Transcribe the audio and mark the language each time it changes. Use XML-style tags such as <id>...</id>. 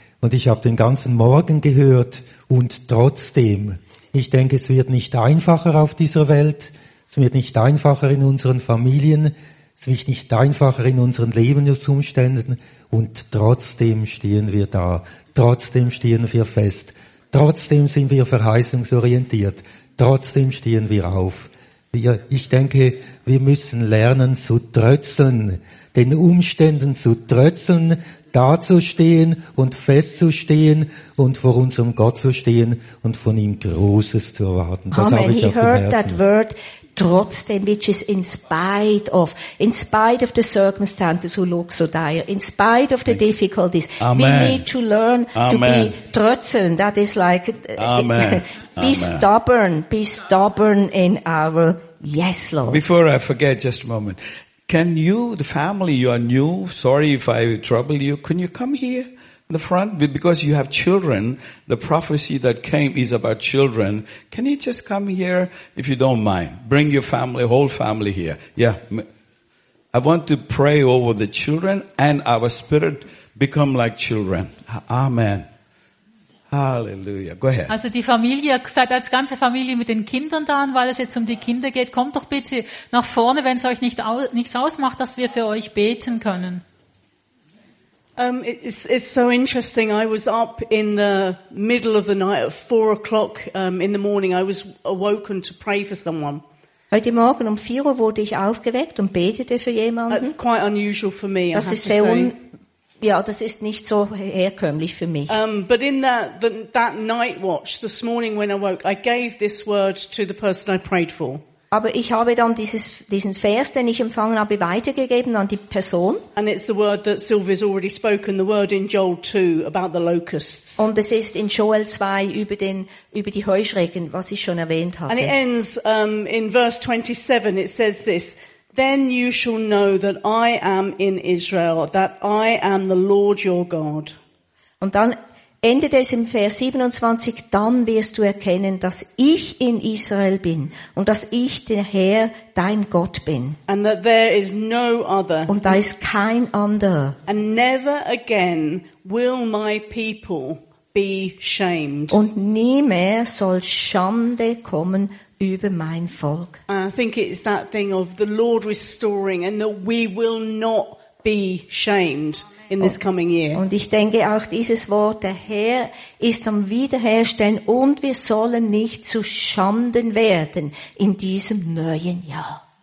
<de>Und ich habe den ganzen Morgen gehört und trotzdem, ich denke, es wird nicht einfacher auf dieser Welt, es wird nicht einfacher in unseren Familien, es wird nicht einfacher in unseren Lebensumständen und trotzdem stehen wir da, trotzdem stehen wir fest, trotzdem sind wir verheißungsorientiert, trotzdem stehen wir auf. Ich denke, wir müssen lernen zu trötzeln, den Umständen zu trötzeln, dazustehen und festzustehen und vor unserem Gott zu stehen und von ihm Großes zu erwarten. Das Amen. Habe ich He auf dem Herzen.</de> <en>That word. Trotzdem, which is in spite of the circumstances who look so dire, in spite of the difficulties, Amen. We need to learn Amen. To be trötzeln. That is like, Amen. be Amen. Stubborn, be stubborn in our yes, Lord. Before I forget, just a moment. Can you, the family, you are new, sorry if I trouble you, can you come here? The front, because you have children, the prophecy that came is about children. Can you just come here, if you don't mind? Bring your family, whole family here. Yeah. I want to pray over the children and our spirit become like children. Amen. Hallelujah. Go ahead.</en> <de>Also die Familie, seid als ganze Familie mit den Kindern da, weil es jetzt um die Kinder geht. Kommt doch bitte nach vorne, wenn es euch nichts ausmacht, dass wir für euch beten können.</de> <en>It's so interesting. I was up in the middle of the night at 4 o'clock in the morning. I was awoken to pray for someone.</en> <de>Heute Morgen 4 Uhr wurde ich aufgeweckt und betete für jemanden.</de> <en>That's quite unusual for me.</en> <de>Das ist sehr das ist nicht so herkömmlich für mich.</de> <en>But in that night watch this morning when I woke, I gave this word to the person I prayed for.</en> <de>Aber ich habe dann diesen Vers, den ich empfangen habe, weitergegeben an die Person.</de> <en>And it's the word that Sylvia's already spoken, the word in Joel 2 about the locusts.</en> <de>Und es ist in Joel 2 über die Heuschrecken, was ich schon erwähnt hatte.</de> <en>And it ends in verse 27, it says this, then you shall know that I am in Israel, that I am the Lord your God.</en> <de>Und dann endet es im Vers 27, dann wirst du erkennen, dass ich in Israel bin und dass ich der Herr, dein Gott bin.</de> <en>And that there is no other.</en> <de>Und da ist kein anderer.</de> <en>And never again will my people be shamed.</en> <de>Und nie mehr soll Schande kommen über mein Volk.</de> <en>I think it's that thing of the Lord restoring and that we will not be shamed. In this coming year.</en> <de>Und ich denke auch dieses Wort, der Herr ist am Wiederherstellen und wir sollen nicht zu Schanden werden in diesem neuen Jahr.</de>